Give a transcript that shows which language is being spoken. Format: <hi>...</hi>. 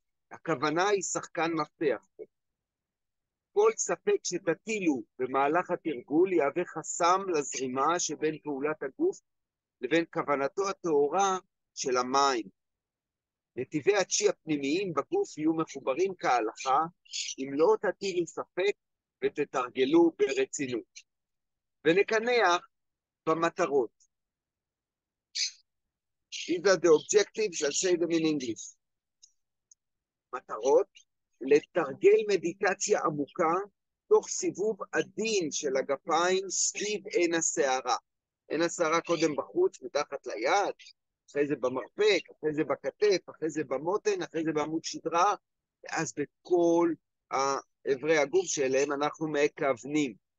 <he>הכוונה היא שחקן מפתח. כל ספק שתטילו במהלך התרגול יהווה חסם לזרימה שבין פעולת הגוף לבין כוונתו התאורה של המים. נתיבי הצ'י הפנימיים בגוף יהיו מחוברים כהלכה אם לא תטילו ספק ותתרגלו ברצינות. ונקנח במטרות.</he> <en>These are the objectives, I'll say them in English.</en> <he>מטרות. לתרגל מדיטציה עמוקה תוך סיבוב עדין של הגפיים סביב עין הסערה. עין הסערה קודם בחוץ, מתחת ליד, אחרי זה במרפק, אחרי זה בכתף, אחרי זה במותן, אחרי זה בעמוד שדרה, ואז בכל עברי הגוף שאליהם אנחנו מכוונים.</he>